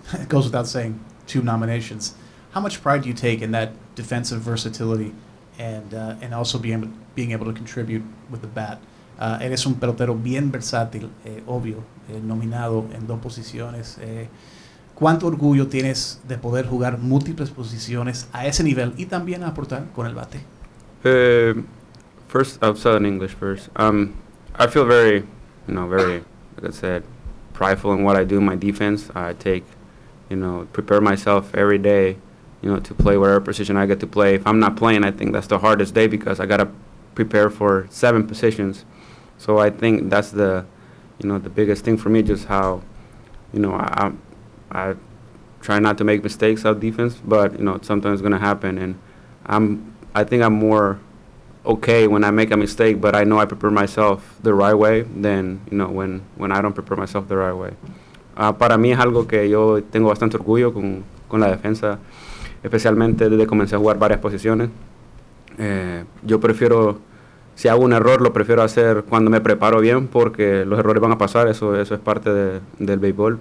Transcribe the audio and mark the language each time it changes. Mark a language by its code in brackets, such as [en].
[en] It goes without saying, two nominations. How much pride do you take in that defensive versatility and also being able to contribute with the bat? [es] Eres un pelotero bien versátil, obvio, nominado en dos posiciones. ¿Cuánto orgullo tienes de poder jugar múltiples posiciones a ese nivel y también aportar con el bate? [en] First, I'll say in English first. I feel very, you know, very, like I said, prideful in what I do in my defense. I take, you know, prepare myself every day, you know, to play whatever position I get to play. If I'm not playing, I think that's the hardest day because I got to prepare for seven positions. So I think that's the, you know, the biggest thing for me, just how, you know, I try not to make mistakes out defense, but, you know, sometimes it's going to happen. And I think I'm more okay when I make a mistake, but I know I prepare myself the right way than, you know, when I don't prepare myself the right way. [es] Para mí es algo que yo tengo bastante orgullo con la defensa. Especialmente desde que comencé a jugar varias posiciones. Yo prefiero, si hago un error, lo prefiero hacer cuando me preparo bien, porque los errores van a pasar, eso es parte del béisbol.